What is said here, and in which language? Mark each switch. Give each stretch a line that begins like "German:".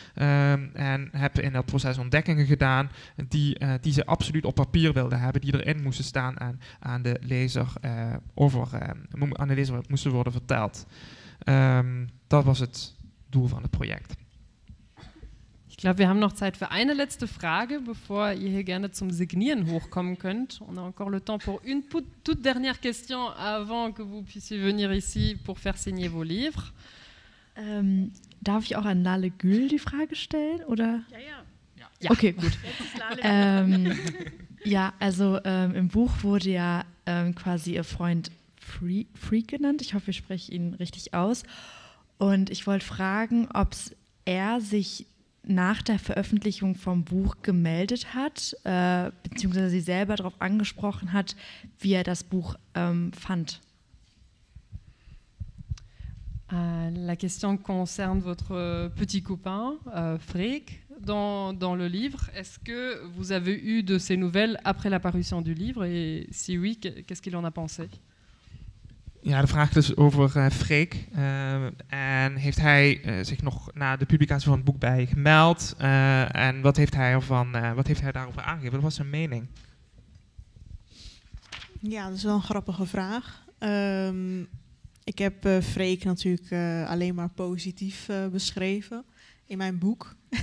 Dutch: En heb in dat proces ontdekkingen gedaan die ze absoluut op papier wilden hebben, die erin moesten staan en aan de lezer aan de lezer moesten worden verteld. Dat was het doel van het project. Ik geloof, we hebben nog tijd voor een laatste vraag,
German: bevor je hier gerne zum signeren hochkommen kunt.
Dutch: On a encore le temps pour une toute dernière question avant que vous puissiez venir ici pour faire signer vos livres.
German: Darf ich auch an Lale Gül die Frage stellen? Oder? Ja. Okay, gut. im Buch wurde ja quasi ihr Freund Freak genannt. Ich hoffe, ich spreche ihn richtig aus. Und ich wollte fragen, ob er sich nach der Veröffentlichung vom Buch gemeldet hat, beziehungsweise sie selber darauf angesprochen hat, wie er das Buch fand.
French: La question concerne votre petit copain, Freak, dans le livre. Est-ce que vous avez eu de ses nouvelles après la parution du livre? Et si oui, qu'est-ce qu'il en a pensé?
Dutch: Ja, de vraag is over Freek. En heeft hij zich nog na de publicatie van het boek bij gemeld? En wat heeft hij ervan, wat heeft hij daarover aangegeven? Wat was zijn mening? Ja, dat is wel een grappige vraag. Ik heb Freek natuurlijk alleen maar positief beschreven in mijn boek.